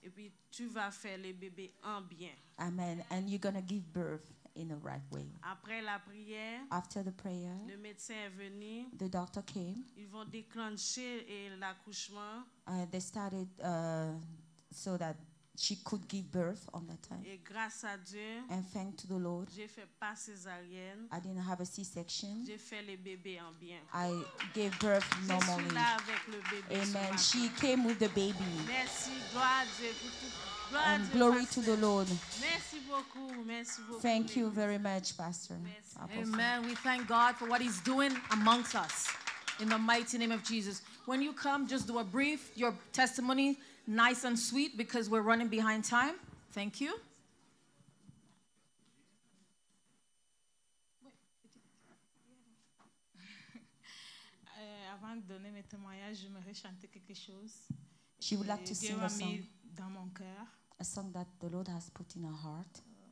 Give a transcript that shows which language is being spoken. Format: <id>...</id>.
<fr>Et puis tu vas faire le bébé en bien. Amen.</fr> <en>And you're gonna give birth in the right way.</en> <fr>Après la prière,</fr> <en>after the prayer,</en> <fr>le médecin est venu,</fr> <en>the doctor came.</en> <fr>Ils vont déclencher l'accouchement.</fr> <en>They started so that she could give birth on that time.</en> <fr>Et grâce à Dieu,</fr> <en>and thank to the Lord,</en> <fr>j'ai fait pas césarienne.</fr> <en>I didn't have a C-section.</en> <fr>J'ai fait le bébé en bien.</fr> <en>I gave birth normally.</en> <fr>Je suis là avec le bébé.</fr> <en>Amen. She came with the baby.</en> <fr>Merci, gloire à Dieu pour tout.</fr> <en>And glory to the Lord.</en> <fr>Merci beaucoup, merci beaucoup.</fr> <en>Thank you very much, Pastor. Amen. We thank God for what He's doing amongst us in the mighty name of Jesus. When you come, just do a brief, your testimony, nice and sweet, because we're running behind time. Thank you.</en> <fr>Avant de donner mes témoignages, j'aimerais chanter quelque chose.</fr> <en>She would like to sing a song.</en> <fr>Dans mon cœur.</fr> <en>A song that the Lord has put in our heart.</en>